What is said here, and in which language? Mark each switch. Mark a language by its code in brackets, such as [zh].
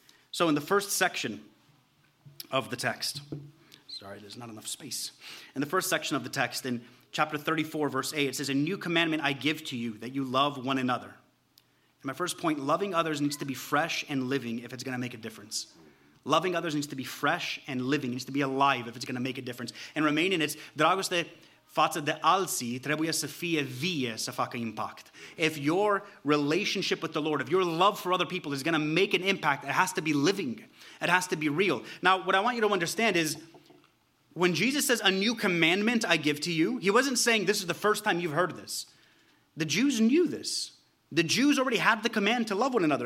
[en] So in the first section of the text, in the first section of the text, in chapter 34, verse 8, it says, "A new commandment I give to you, that you love one another." And my first point, loving others needs to be fresh and living if it's going to make a difference. Loving others needs to be fresh and living, needs to be alive if it's going to make a difference. And remain in it, [ro] dragoste față de alții, trebuie să fie vie să facă impact. [en] If your relationship with the Lord, if your love for other people is going to make an impact, it has to be living. It has to be real. Now, what I want you to understand is, when Jesus says, "A new commandment I give to you," he wasn't saying this is the first time you've heard this. The Jews knew this. The Jews already had the command to love one another.